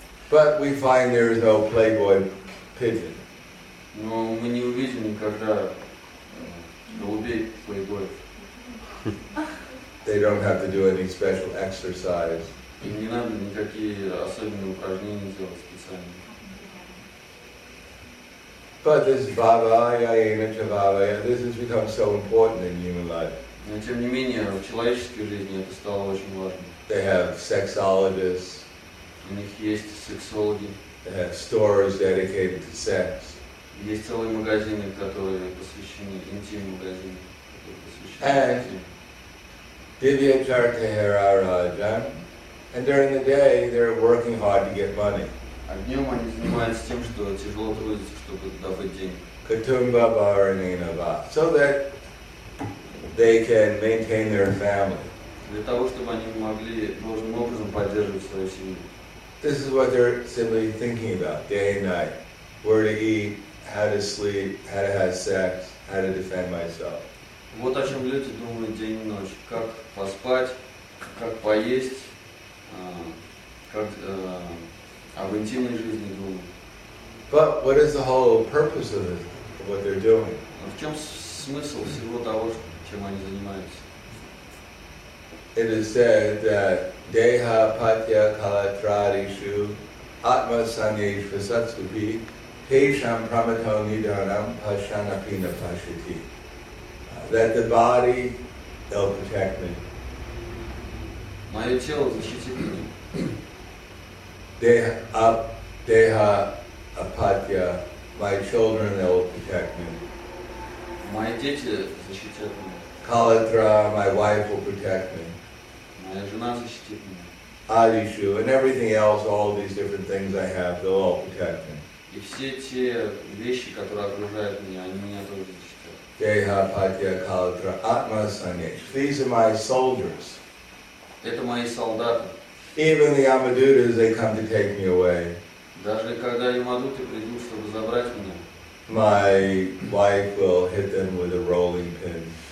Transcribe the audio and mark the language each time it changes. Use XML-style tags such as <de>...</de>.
<en>But we find there is no playboy pigeon.</en> <ru>Но мы не увидим никогда голубей playboys.</ru> <en>They don't have to do any special exercise.</en> <ru>Им не надо никакие особенные упражнения делать специально.</ru> <en>But this</en> <sa>Baba Yayana Chavava,</sa> <en>this has become so important in human life.</en> <ru>Но тем не менее в человеческой жизни это стало очень важным.</ru> <en>They have sexologists.</en> <ru>У них есть сексологи.</ru> <en>They have stores dedicated to sex.</en> <ru>Есть целые магазины, которые посвящены интим магазины, которые посвящены.</ru> <sa>And Divya Chartahara Raja.</sa> <en>And during the day they're working hard to get money.</en> <ru>А днем они занимаются тем, что тяжело трудиться, чтобы добыть деньги.</ru> <sa>Катумба Баранинава.</sa> <en>So that they can maintain their family.</en> <ru>Для того, чтобы они могли должным образом поддерживать свою семью.</ru> <en>This is what they're simply thinking about, day and night. Where to eat, how to sleep, how to have sex, how to defend myself.</en> <ru>Вот о чем люди думают день и ночь. Как поспать, как поесть, как... об интимной жизни думают.</ru> <en>But what is the whole purpose of this, of what they're doing?</en> <ru>В чем смысл всего того, чем они занимаются?</ru> <en>It is said that</en> <sa>deha patya kalatradishu atma sanyeshva satsupi pesham pramato nidhanam pashanapina pashati.</sa> <en>That the body, they'll protect me.</en> <ru>Мое тело защитит меня.</ru> <en>Deha apatya, my children, they will protect me.</en> <ru>Мои дети защитят меня.</ru> <en>Kalatra, my wife will protect me.</en> <ru>Моя жена защитит меня.</ru> <en>Adishu, and everything else, all these different things I have, they'll all protect me.</en> <ru>И все те вещи, которые окружают меня, они меня тоже защитят.</ru> <sa>Deha apatya, kalatra, atma sanyesh.</sa> <en>These are my soldiers.</en> <ru>Это мои солдаты.</ru> <en>Even the Yamadutas, they come to take me away.</en> <ru>Даже когда Ямадуты придут, чтобы забрать меня.</ru> <en>My wife will hit them with a rolling pin.</en>